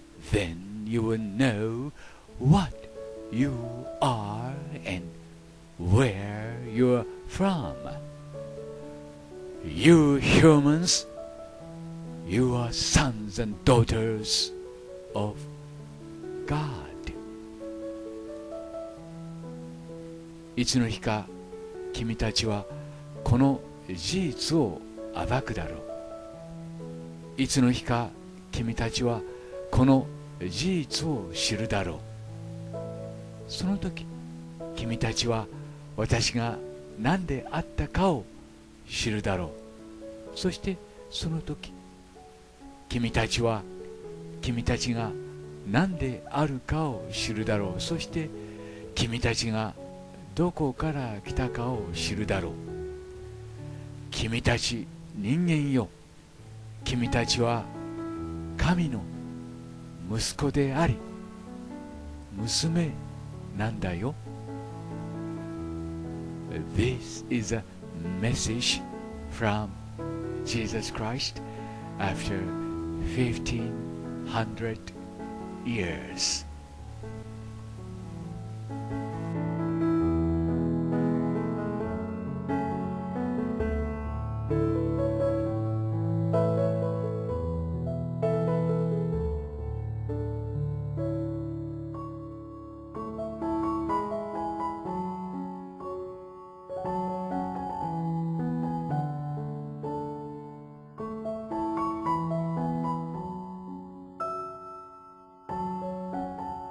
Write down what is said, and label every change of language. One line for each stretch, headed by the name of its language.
English: Then you will know what you are and where you're from. You humans, you are sons and daughters of God.
Japanese: 一の日か君たちはこの事実を暴くだろう。いつの日か君たちはこの事実を知るだろう。その時君たちは私が何であったかを知るだろう。そしてその時君たちは君たちが何であるかを知るだろう。そして君たちがどこから来たかを知るだろう。君たち人間よ、君たちは神の息子であり娘なんだよ。
English: This is a message from Jesus Christ after 1500 years. Thank you.